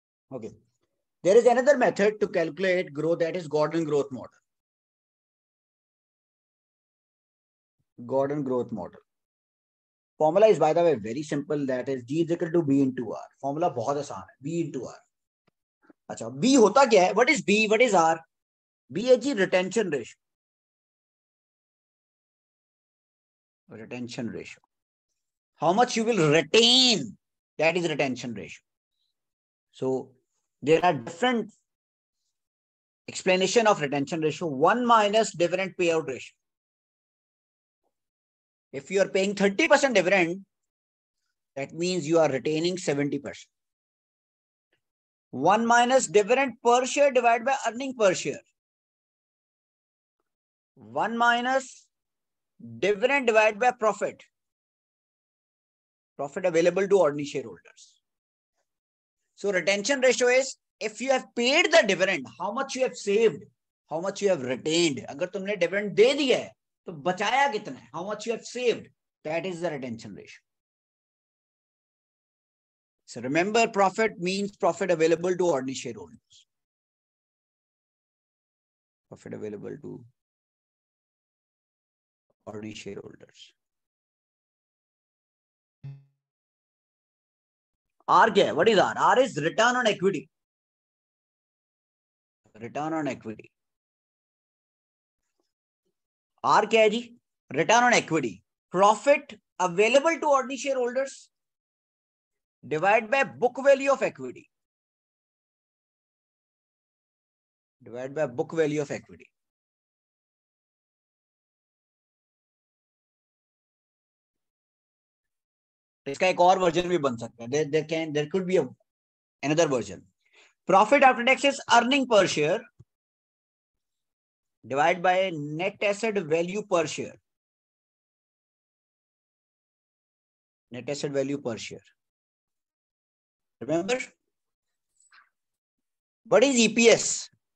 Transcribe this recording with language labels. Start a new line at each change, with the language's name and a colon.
English: Okay. There is another method to calculate growth, that is Gordon growth model. Formula is, by the way, very simple. That is G is equal to B into R.
Hindi: Formula bahut asaan hai.
English: B into R.
Hindi: अच्छा B होता क्या है,
English: What is B, what is R? B है जी retention ratio, retention ratio, how much you will retain, that is retention ratio. So there are different explanation of retention ratio. One minus dividend pay out ratio, if you are paying 30% dividend, that means you are retaining 70%. 1 minus dividend per share divided by earning per share, 1 minus dividend divided by profit, profit available to ordinary shareholders. So retention ratio is, if you have paid the dividend, how much you have saved, how much you have retained.
Hindi: Agar tumne dividend de diya hai, तो बचाया कितना है,
English: How much you have saved, that is the retention ratio. So remember profit means profit available to ordinary share holders, profit available to ordinary share holders.
Hindi: Are क्या है,
English: What is R? R is return on equity, return on equity.
Hindi: Are क्या है जी?
English: Return on equity, profit available to ordinary share holders divide by book value of equity, divide by book value of equity.
Hindi: इसका एक और version भी बन सकता है,
English: There can, there could be another version. Profit after tax is earning per share divide by net asset value per share, net asset value per share. Remember, what is EPS?